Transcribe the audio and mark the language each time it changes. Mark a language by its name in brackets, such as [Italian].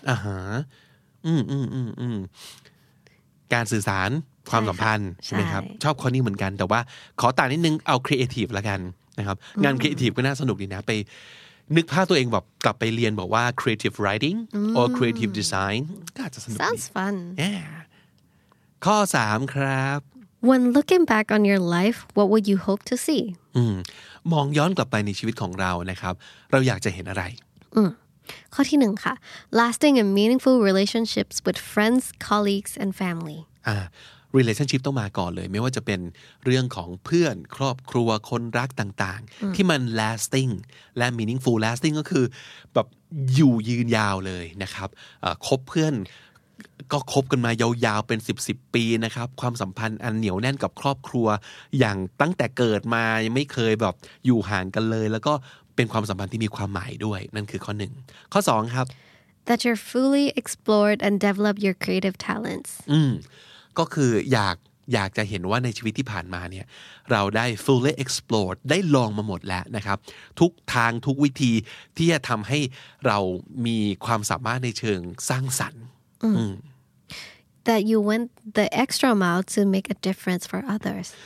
[Thai] อ่าฮะการสื่อสารความสัมพันธ์ใช่ไหมครับชอบข้อนี้เหมือนกันแต่ว่าขอต่างนิดนึงเอาครีเอทีฟละกันนะครับงานครีเอทีฟก็น่าสนุกดีนะไปนึกภาพตัวเองแบบกลับไปเรียนบอกว่า [English] creative writing or creative design [Thai] ก็อาจจะสนุก [English] sounds fun [Thai] yeah ข้อ3ครับ [English] when looking back on your life what would you hope to see [Thai] มองย้อนกลับไปในชีวิตของเรานะครับเราอยากจะเห็นอะไร ข้อที่1ค่ะ [English] lasting and meaningful relationships with friends colleagues and family [Thai] relationship ต้องมาก่อนเลยไม่ว่าจะเป็นเรื่องของเพื่อนครอบครัวคนรักต่างๆที่มัน lasting และ meaningful lasting ก็คือแบบอยู่ยืนยาวเลยนะครับคบเพื่อนก็คบกันมายาวๆเป็น10ปีนะครับความสัมพันธ์อันเหนียวแน่นกับครอบครัวอย่างตั้งแต่เกิดมายังไม่เคยแบบอยู่ห่างกันเลยแล้วก็เป็นความสัมพันธ์ที่มีความหมายด้วยนั่นคือข้อ1ข้อ2ครับ [English] that you're fully explored and develop your creative talents [Thai] ก็คืออยากจะเห็นว่าในชีวิตที่ผ่านมาเนี่ยเราได้ fully explored ได้ลองมาหมดแล้วนะครับทุกทางทุกวิธีที่จะทำให้เรามีความสามารถในเชิงสร้างสรรค์ [English] that you went the extra mile to make a difference for others